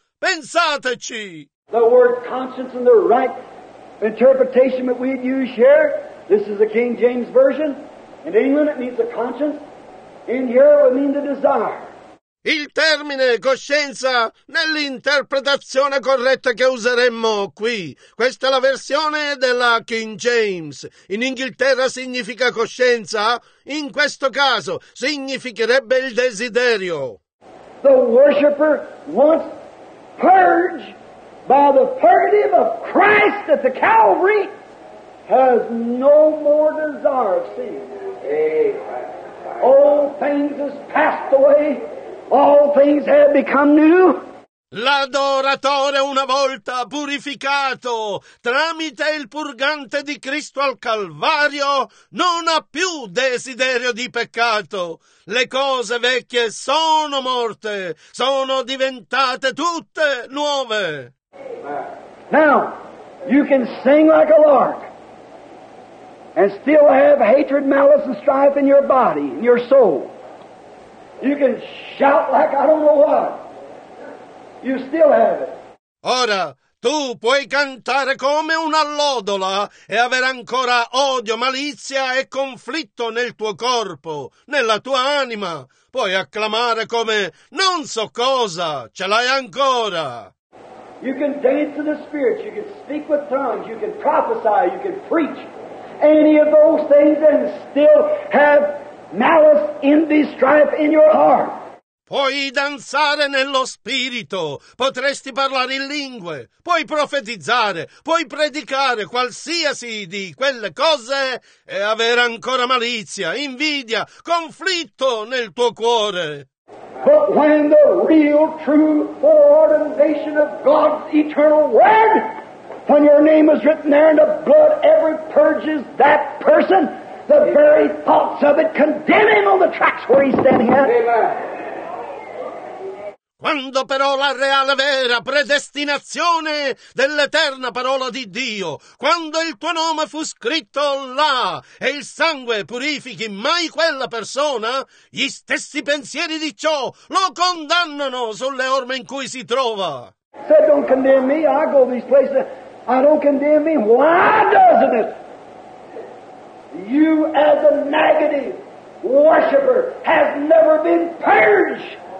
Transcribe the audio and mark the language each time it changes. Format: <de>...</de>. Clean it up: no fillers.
<it>Pensateci!</it> <en>The word conscience and the right interpretation that we use here, this is the King James Version. In England it means the conscience. In here it would mean the desire.</en> <it>Il termine coscienza nell'interpretazione corretta che useremmo qui. Questa è la versione della King James. In Inghilterra significa coscienza. In questo caso significherebbe il desiderio.</it> <en>The worshipper wants purge by the purgative of Christ at the Calvary has no more desire of sin. Amen. Old things has passed away. All things have become new.</en> <it>L'adoratore una volta purificato tramite il purgante di Cristo al Calvario non ha più desiderio di peccato. Le cose vecchie sono morte, sono diventate tutte nuove.</it> <en>Now, you can sing like a lark and still have hatred, malice and strife in your body, in your soul. You can shout like I don't know what. You still have it.</en> <it>Ora, tu puoi cantare come una lodola e avere ancora odio, malizia e conflitto nel tuo corpo, nella tua anima. Puoi acclamare come non so cosa, ce l'hai ancora.</it> <en>You can dance to the spirit, you can speak with tongues, you can prophesy, you can preach any of those things and still have malice, envy, strife in your heart.</en> <it>Puoi danzare nello spirito, potresti parlare in lingue, puoi profetizzare, puoi predicare qualsiasi di quelle cose e avere ancora malizia, invidia, conflitto nel tuo cuore.</it> <en>But when the real, true ordination of God's eternal word, when your name is written there and the blood ever purges that person, the very thoughts of it condemn him on the tracks where he's standing at. Amen.</en> <it>Quando però la reale vera predestinazione dell'eterna parola di Dio, quando il tuo nome fu scritto là e il sangue purifichi mai quella persona, gli stessi pensieri di ciò lo condannano sulle orme in cui si trova.</it> <en>Said, don't condemn me, I go to these places, I don't condemn me, why doesn't it? You as a negative worshiper has never been purged.</en>